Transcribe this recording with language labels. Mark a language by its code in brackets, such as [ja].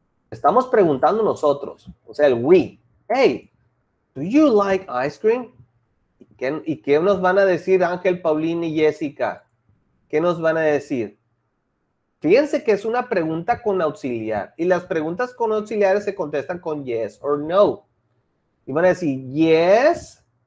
[es] Estamos preguntando nosotros, o sea, el we. [en] Hey, do you like ice cream? [es] ¿Y qué nos van a decir Ángel, Paulina y Jessica? ¿Qué nos van a decir? Fíjense que es una pregunta con auxiliar. Y las preguntas con auxiliares se contestan con [en] yes or no. [es] Y van a decir, yes.